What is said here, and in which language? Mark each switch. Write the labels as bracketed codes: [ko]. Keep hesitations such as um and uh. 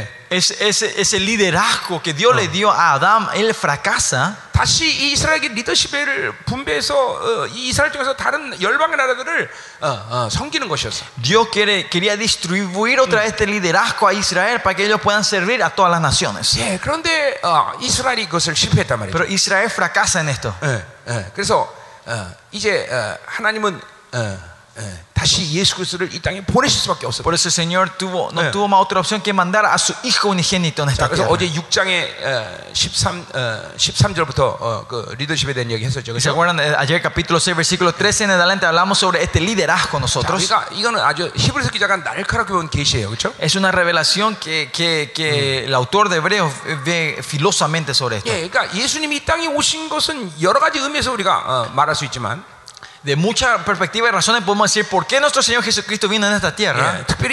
[es] es, es, ese liderazgo que Dios uh. le dio a Adán, él fracasa. [ko] 다시 이 이스라엘의 리더십을 분배해서 어, 이스라엘 중에서 다른 열방 나라들을 어, 어, 섬기는 것이었어. [es] Dios quiere quería distribuir otra vez 음. este liderazgo a Israel para que ellos puedan servir a todas las naciones. [ko] 예, 그런데 어, 이스라엘이 그것을 실패했단 말이야. [es] Pero Israel fracasa en esto. [ko] 예, 예. 그래서 어, 이제 어, 하나님은 어, 다시 예수 그리스도를 이 땅에 보내실 수밖에 없어요. [es] Por eso el Señor tuvo no tuvo más otra opción que mandar a su hijo unigénito en esta tierra. [ko] 그래서 어제 6장에 13 13절부터 그 리더십에 대한 얘기 했었죠. 그래서 그거는 [es] ayer capítulo 6 versículo 13 en adelante hablamos sobre este liderazgo nosotros. [ko] 그러니까 이거는 아주 히브리서 기자가 날카롭게 본 계시예요. 그렇죠? [es] Es una revelación que que que el autor de Hebreos ve filosamente sobre esto. [ko] 예, 그러니까 예수님이 이 땅에 오신 것은 여러 가지 의미에서 우리가 말할 수 있지만 [es] de mucha perspectiva y razones podemos decir por qué nuestro Señor Jesucristo vino en esta tierra.